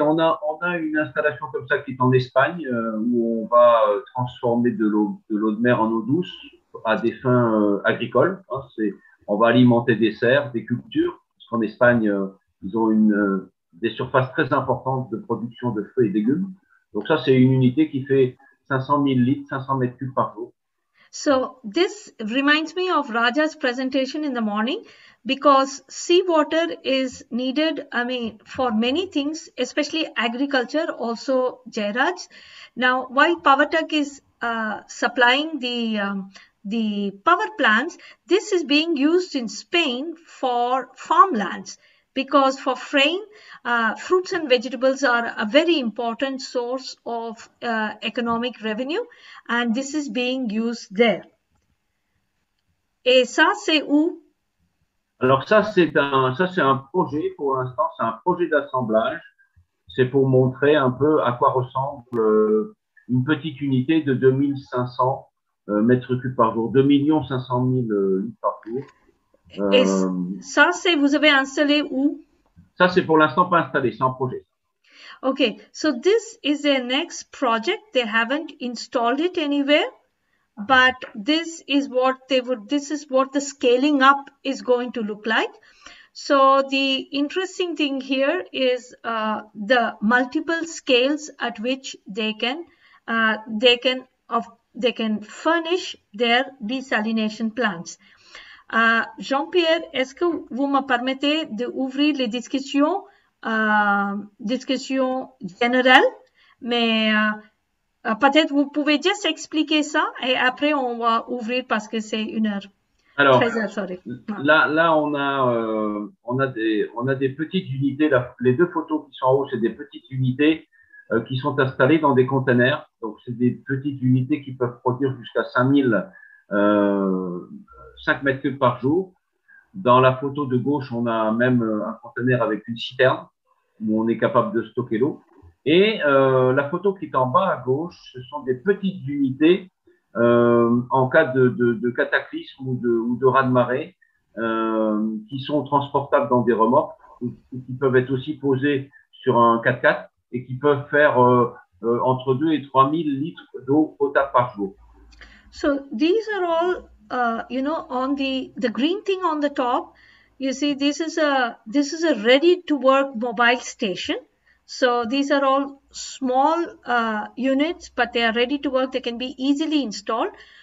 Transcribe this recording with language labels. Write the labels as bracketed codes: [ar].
[fr] On a une installation comme ça qui est en Espagne, où on va transformer de l'eau de mer en eau douce à des fins agricoles. Hein, on va alimenter des serres, des cultures, parce qu'en Espagne, ils ont des surfaces très importantes de production de fruits et légumes. Donc, ça, c'est une unité qui fait 500 000 litres, 500 mètres cubes par jour. [en] So this reminds me of Raja's presentation in the morning, because seawater is needed, I mean, for many things, especially agriculture, also Jairaj. Now, while PowerTech is supplying the power plants, this is being used in Spain for farmlands, because for frame, fruits and vegetables are a very important source of economic revenue, and this is being used there. [fr] Et ça, c'est où? Alors ça c'est un projet pour l'instant, c'est un projet d'assemblage. C'est pour montrer un peu à quoi ressemble une petite unité de 2500 mètres cubes par jour, 2 500 000 litres par jour. Et ça, c'est, vous avez installé où? Ça, c'est pour l'instant pas installé, c'est en projet. [en] Okay, so this is their next project. They haven't installed it anywhere, but this is what the scaling up is going to look like. So the interesting thing here is the multiple scales at which they can furnish their desalination plants. [fr] Jean-Pierre, est-ce que vous me permettez d'ouvrir les discussions? Discussion générale, mais peut-être vous pouvez juste expliquer ça et après on va ouvrir parce que c'est 1 heure. Alors, 13 heures, sorry. là, on a des petites unités. Les deux photos qui sont en haut, c'est des petites unités qui sont installées dans des containers. Donc, c'est des petites unités qui peuvent produire jusqu'à 5000, 5 mètres cubes par jour. Dans la photo de gauche, on a même un container avec une citerne où on est capable de stocker l'eau. Et la photo qui est en bas à gauche, ce sont des petites unités. En cas de cataclysme ou de raz-de-marée, qui sont transportables dans des remorques ou qui peuvent être aussi posées sur un 4x4 et qui peuvent faire entre 2 et 3 000 litres d'eau potable par jour. [en] So these are all, on the green thing on the top. You see, this is a ready to work mobile station. So these are all small units, but they are ready to work. They can be easily installed.